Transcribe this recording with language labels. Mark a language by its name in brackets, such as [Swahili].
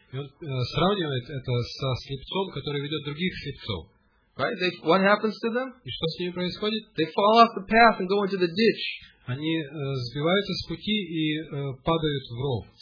[Russian] И он сравнивает это со слепцом, который ведет других слепцов. [English] Right? What happens to them? [Russian] И что с ними происходит? [English] They fall off the path and go into the ditch. [Russian] Они сбиваются с пути и падают в ров.